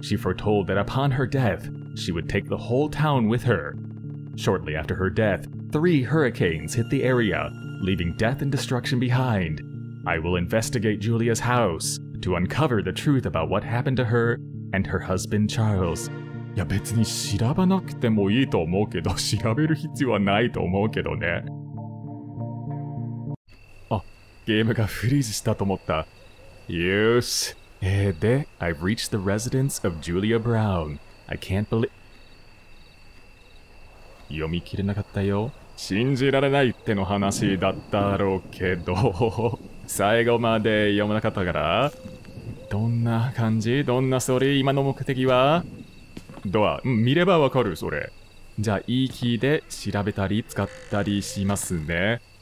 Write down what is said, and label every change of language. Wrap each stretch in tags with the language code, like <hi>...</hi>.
<en>She foretold that upon her death, she would take the whole town with her. Shortly after her death, three hurricanes hit the area, leaving death and destruction behind. I will investigate Julia's house to uncover the truth about what happened to her and her husband Charles.</en> <ja>いや別に調べなくてもいいと思うけど、調べる必要はないと思うけどね。ゲームがフリーズしたと思った。よし。</ja> <en>で、I've reached the residence of Julia Brown. I can't believe.</en> <ja>読み切れなかったよ。信じられないっての話だったろうけど、最後まで読まなかったから。どんな感じ？どんなストーリー？今の目的は？ドア、見ればわかる、それ。じゃあ、E キーで調べたり使ったりしますね。</ja>